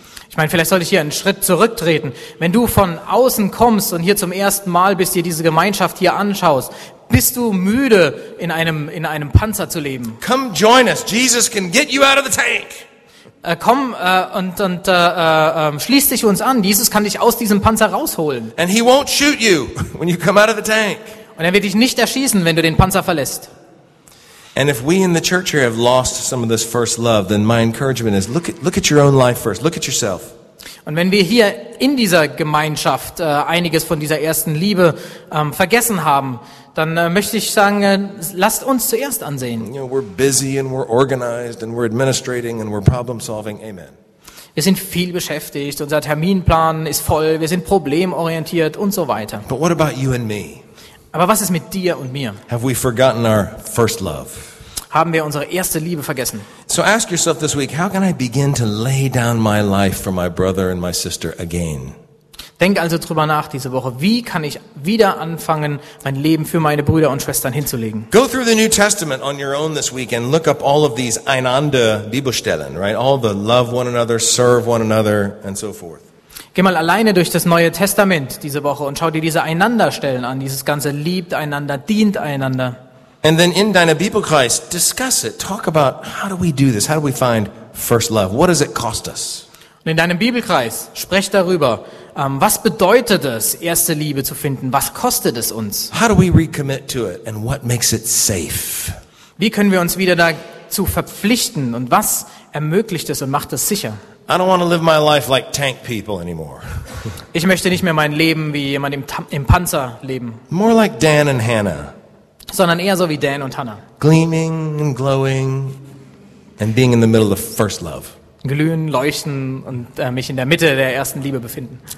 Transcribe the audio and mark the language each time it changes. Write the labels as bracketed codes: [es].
[de] Ich meine, vielleicht sollte ich hier einen Schritt zurücktreten. Wenn du von außen kommst und hier zum ersten Mal bist, dir diese Gemeinschaft hier anschaust, bist du müde, in einem Panzer zu leben? [en] Come join us. Jesus can get you out of the tank. [de] Schließ dich uns an. Jesus kann dich aus diesem Panzer rausholen. [en] And he won't shoot you when you come out of the tank. [de] Und er wird dich nicht erschießen, wenn du den Panzer verlässt. [en] And if we in the church here have lost some of this first love, then my encouragement is look at your own life first. Look at yourself. [de] Und wenn wir hier in dieser Gemeinschaft einiges von dieser ersten Liebe vergessen haben, dann möchte ich sagen, lasst uns zuerst ansehen. [en] You know, we're busy and we're organized and we're administrating and we're problem solving. Amen. [de] Wir sind viel beschäftigt, unser Terminplan ist voll, wir sind problemorientiert und so weiter. [en] But what about you and me? [de] Aber was ist mit dir und mir? [en] Have we forgotten our first love? [de] Haben wir unsere erste Liebe vergessen? [en] So ask yourself this week, how can I begin to lay down my life for my brother and my sister again? [de] Denk also drüber nach diese Woche, wie kann ich wieder anfangen, mein Leben für meine Brüder und Schwestern hinzulegen? [en] Go through the New Testament on your own this week and look up all of these [de] einander Bibelstellen, [en] right? All the love one another, serve one another and so forth. [de] Geh mal alleine durch das Neue Testament diese Woche und schau dir diese Einanderstellen an, dieses ganze liebt einander, dient einander. [en] And then in [de] deiner Bibelkreis [en] discuss it, talk about how do we do this? How do we find first love? What does it cost us? [de] Und in deinem Bibelkreis sprech darüber, was bedeutet es, erste Liebe zu finden? Was kostet es uns? [en] How do we recommit to it and what makes it safe? [de] Wie können wir uns wieder dazu verpflichten und was ermöglicht es und macht es sicher? [en] I don't want to live my life like tank people anymore. [de] Ich möchte nicht mehr mein Leben wie jemand im Panzer leben. [en] More like Dan and Hannah. [de] Sondern eher so wie Dan und Hannah. [en] Gleaming and glowing and being in the middle of first love. [de] Glühen, leuchten und mich in der Mitte der ersten Liebe befinden.